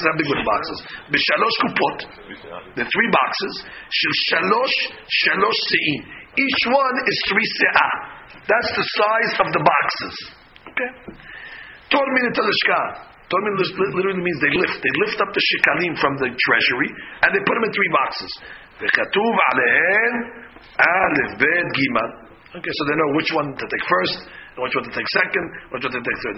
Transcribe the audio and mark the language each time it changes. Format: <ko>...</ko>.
<en>How big were the boxes?</en> <he>B'shalosh kupot,</he> <en>the three boxes,</en> <he>shalosh, shalosh se'in.</he> <en>Each one is three se'ah. That's the size of the boxes. Okay?</en> <he>Tormin talishka.</he> <en>Tormin literally means they lift. They lift up the shekalim from the treasury and they put them in three boxes.</en> <he>וכתוב עליהן אלף בית גימל.</he> <en>Okay, so they know which one to take first, which one to take second, which one to take third.</en>